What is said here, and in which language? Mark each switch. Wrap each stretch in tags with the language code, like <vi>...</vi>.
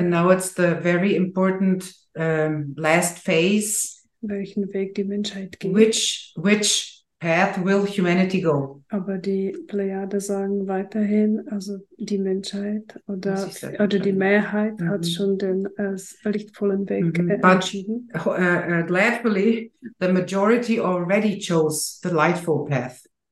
<en>And now it's the very important last phase.</en> <de>Welchen Weg die Menschheit geht.</de> <en>Which path will humanity go?</en> <de>Aber die Plejade sagen weiterhin, also die Menschheit oder die Mehrheit hat schon den lichtvollen Weg entschieden.</de> <en>Gladly, the majority already chose the lightful path.</en>